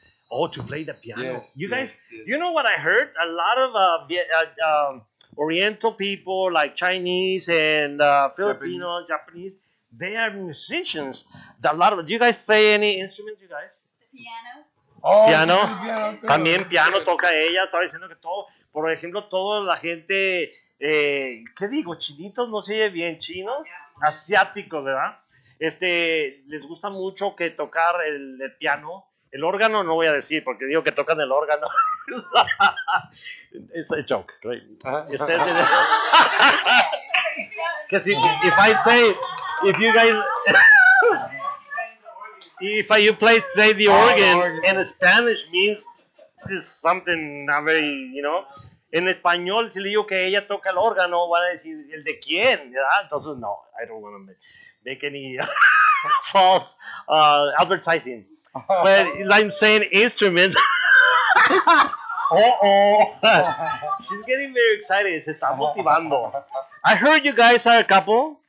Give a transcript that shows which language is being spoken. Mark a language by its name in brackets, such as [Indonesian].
[English] Oh, to play the piano. Yes, you yes, guys, yes. You know what I heard? A lot of Oriental people, like Chinese and Filipino, Japanese, they are musicians. A lot of. Do you guys play any instruments, you guys? The piano. Oh, piano. [Spanish] También piano toca ella, estaba diciendo que todo, por ejemplo, toda la gente, ¿qué digo? Chinitos, no se oye bien, chinos, asiáticos, ¿verdad? Les gusta mucho que tocar el piano, el órgano no voy a decir, porque digo que tocan el órgano. [English] It's a joke, right? It says it. Because if I say, if you guys... If you play the organ in Spanish means it's something not very, you know. [Spanish] En español, si le digo que ella toca el órgano, van a decir, ¿el de quién? ¿Verdad? Entonces, no, [English] I don't want to make any false advertising. But I'm saying instruments. Uh-oh. She's getting very excited. [Spanish] Se está motivando. [English] I heard you guys are a couple.